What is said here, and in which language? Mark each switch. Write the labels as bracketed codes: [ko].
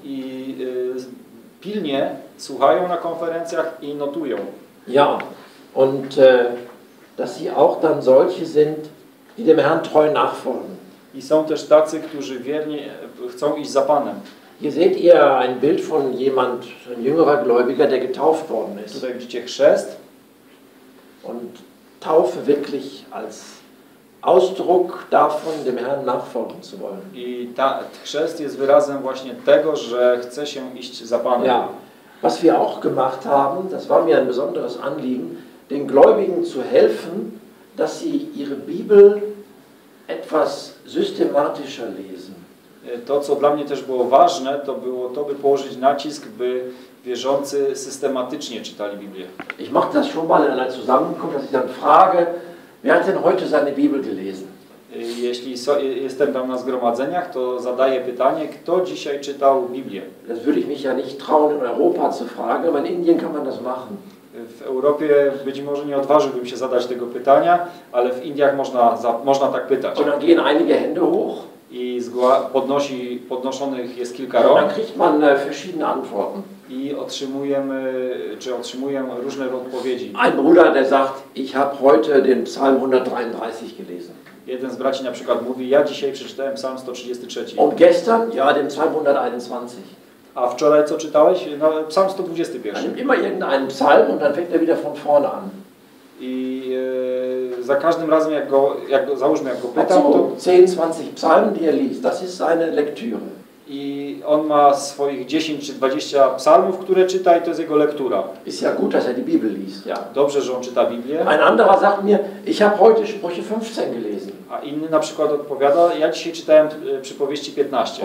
[pl] I pilnie słuchają na konferencjach i notują. [de] Ja, und dass sie auch dann solche sind, die dem Herrn treu nachfolgen. [pl] I są też tacy, którzy wiernie chcą iść za Panem. [de] Hier seht ihr ein Bild von jemand, ein jüngerer Gläubiger, der getauft worden ist. [pl] Tutaj widzicie chrzest. [de] Und Taufe wirklich als Ausdruck davon, dem Herrn nachfolgen zu wollen. [pl] I ta chrzest jest wyrazem właśnie tego, że chce się iść za Panem. [de] Ja. Was wir auch gemacht haben, das war mir ein besonderes Anliegen, den Gläubigen zu helfen, dass sie ihre Bibel etwas systematischer lesen. [pl] To, co dla mnie też było ważne, to było to, by położyć nacisk, by wierzący systematycznie czytali Biblię. [de] Ich mache das schon mal in einer Zusammenkunft, dass ich dann frage, wer hat denn heute seine Bibel gelesen? [pl] Jeśli jestem tam na zgromadzeniach, to zadaję pytanie, kto dzisiaj czytał Biblię? [de] Das würde ich mich ja nicht trauen, in Europa zu fragen, aber in Indien kann man das machen. [pl] W Europie być może nie odważyłbym się zadać tego pytania, ale w Indiach można tak pytać. [de] Und dann gehen einige Hände hoch. [pl] I podnoszonych jest kilka rąk. [de] Dann kriegt man verschiedene Antworten. [pl] I otrzymuję różne odpowiedzi. [de] Ein Bruder, der sagt, ich habe heute den Psalm 133 gelesen. [pl] Jeden z braci na przykład mówi, ja dzisiaj przeczytałem Psalm 133. [de] Und gestern, ja, den Psalm 121. [pl] A wczoraj co czytałeś? No, psalm 121. [de] Nimm immer irgendeinen psalm und dann fängt er wieder von vorne an. [pl] I za każdym razem, jak go pytam, [de] to 10-20 psalm, die er liest, das ist seine Lektüre. [pl] I on ma swoich 10 czy 20 psalmów, które czyta, i to jest jego lektura. [de] Ist ja gut, dass er die Bibel liest. [pl] Ja, dobrze, że on czyta Biblię. [de] Ein anderer sagt mir, ich habe heute Sprüche 15 gelesen. [pl] A inny na przykład odpowiada, ja dzisiaj czytałem Przypowieści 15.